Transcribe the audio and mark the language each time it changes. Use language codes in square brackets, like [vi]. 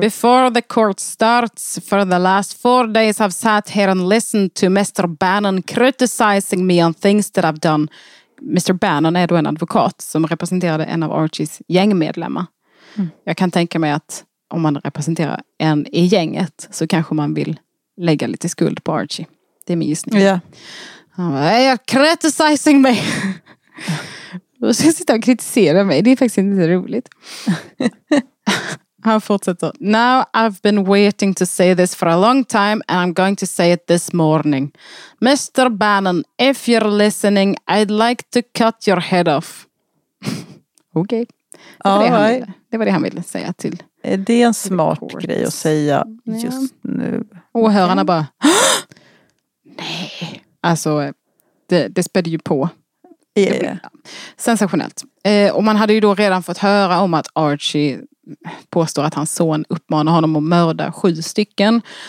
[en] Before the court starts, for the last 4 days I've sat here and listened to Mr. Bannon criticizing me on things that I've done. Mr. [sv] Bannon är då en advokat som representerade en av Archies gängmedlemmar. Mm. Jag kan tänka mig att om man representerar en i gänget så kanske man vill lägga lite skuld på Archie. Det är min gissning. [en] Yeah. [sv] Han bara, [en] criticizing me. [sv] Då ska jag sitta och kritisera mig. Det är faktiskt inte så roligt. Han fortsätter. [en] Now I've been waiting to say this for a long time and I'm going to say it this morning. Mr. Bannon, if you're listening, I'd like to cut your head off. [sv] Okej. Okay. Det var det han ville säga till. Det är en smart grej att säga just nu. Åhörarna bara. Nej. Alltså, det spädde ju på. [en] Yeah. [sv] Sensationellt. Och man hade ju då redan fått höra om att Archie påstår att hans son uppmanar honom att mörda 7 stycken.